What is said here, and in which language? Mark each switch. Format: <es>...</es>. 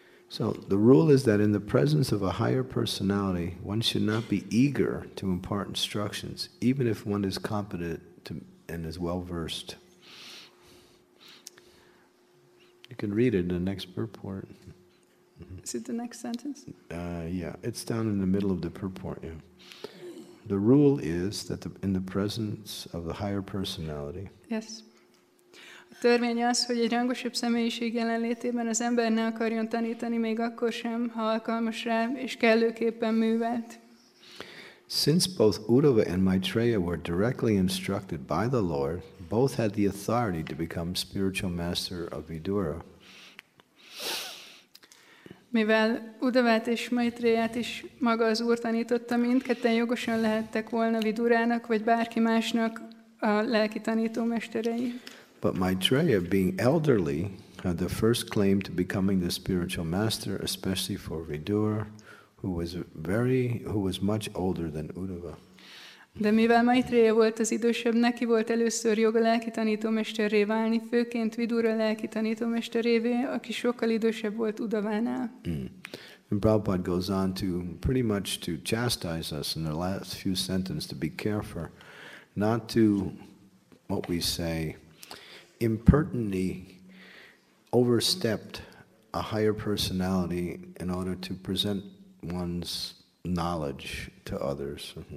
<en>So the rule is that in the presence of a higher personality, one should not be eager to impart instructions, even if one is competent and is well versed. You can read it in the next purport. Is it the next sentence? Yeah, it's down in the middle of the purport, yeah. The rule is that in the presence of the higher personality. Yes.</en> <hu>A törvény az, hogy egy rangosabb személyiség jelenlétében az ember ne akarjon tanítani még akkor sem, ha alkalmas rá és kellőképpen művelt.</hu> <en>Since both Uddhava and Maitreya were directly instructed by the Lord, both had the authority to become spiritual master of Vidura.</en> <hu>Mivel Uddhavát és Maitreyát is maga az Úr tanította, mindketten jogosan lehettek volna Vidurának vagy bárki másnak a lelki tanító mesterei.</hu> <en>But Maitreya, being elderly, had the first claim to becoming the spiritual master, especially for Vidura, who was much older than Uddhava.</en> <hu>De mivel Maitreya volt az idősebb, neki volt először joga lelki tanítómesterré válni, főként Vidura lelki tanítómesterévé, aki sokkal idősebb volt Uddhavánál.</hu> <en>And Prabhupada goes on to pretty much to chastise us in the last few sentences to be careful not to, what we say, impertinently overstepped a higher personality in order to present one's knowledge to others.</en>